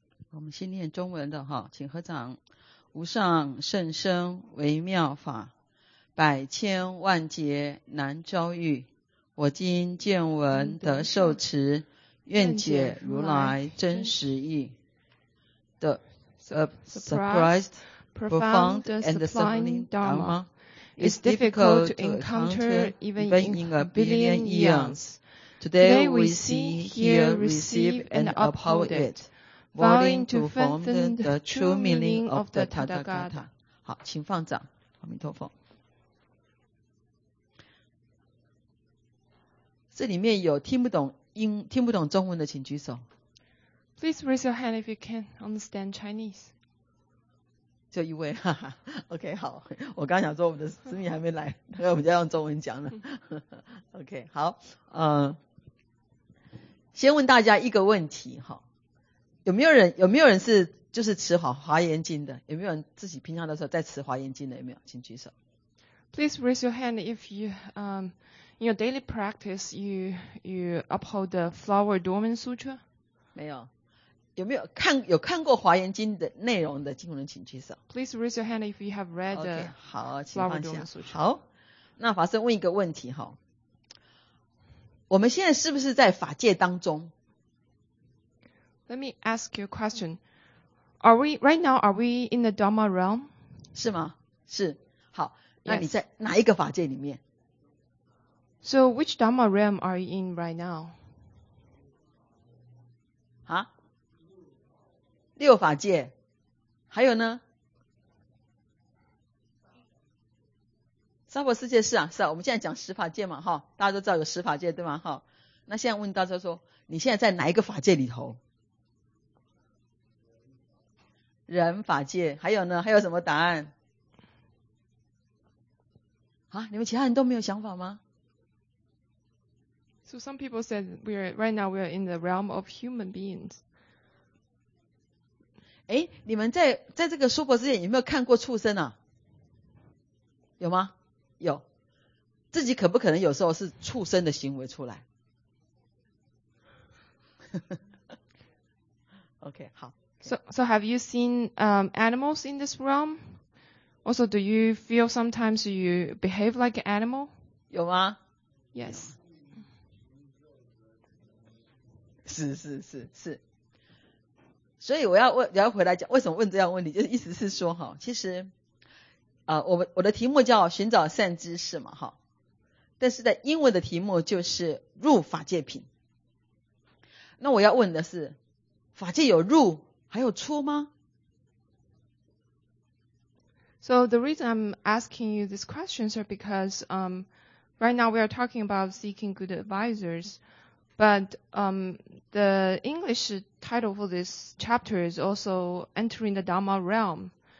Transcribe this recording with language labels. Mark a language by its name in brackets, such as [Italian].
[Chinese] 我们先念中文的哈，请合掌。无上甚深微妙法，百千万劫难遭遇，我今见闻得受持，愿解如来真实义。 [English] The surprised, profound and sublime Dharma is difficult to encounter even in a billion eons. Today we see, hear, receive and uphold it, vowing to fathom the true meaning of the Tathagata. [Chinese] 好，请放掌，阿弥陀佛。这里面有听不懂英，听不懂中文的请举手。 [English] Please raise your hand if you can understand Chinese. [Chinese] 就一位，哈哈。 OK, 好，我刚想说我们的师妹还没来，她我们就要用中文讲了。 OK, 好，先问大家一个问题，有没有人是就是持好华严经的？有没有人自己平常的时候在持华严经的？有没有请举手。 [English] Please raise your hand if you In your daily practice, you uphold the Flower Dormant Sutra? [Chinese] 没有。有看过华严经的内容的经文请举手。 [English] Please raise your hand if you have read the Flower Dormant Sutra. [Chinese] 好，那法师问一个问题哈。我们现在是不是在法界当中？ [English] Let me ask you a question. Are we, right now, are we in the Dharma realm? [Chinese] 是吗？是。好，那你在哪一个法界里面？ [English] Yes. So, which Dharma realm are you in right now? [Chinese] Huh? 六法界。还有呢？娑婆世界是啊，是啊，我们现在讲十法界嘛，哈，大家都知道有十法界，对吗？哈，那现在问大家说，你现在在哪一个法界里头？人法界。还有呢？还有什么答案？啊，你们其他人都没有想法吗？ [English] So some people said right now we are in the realm of human beings. [Chinese] 诶，你们在这个娑婆世界有没有看过畜生啊？有吗？有。自己可不可能有时候是畜生的行为出来？ OK, 好。 [English] So have you seen animals in this realm? Also, do you feel sometimes you behave like an animal? [Chinese] 有吗？ [English] Yes. [Chinese] 是是是是，所以我要回来讲为什么问这样问题，就是意思是说哈，其实我的题目叫寻找善知识嘛哈，但是在英文的题目就是入法界品。那我要问的是，法界有入还有出吗？ [English] So the reason I'm asking you this question is because right now we are talking about seeking good advisors. But the English title for this chapter is also Entering the Dharma Realm.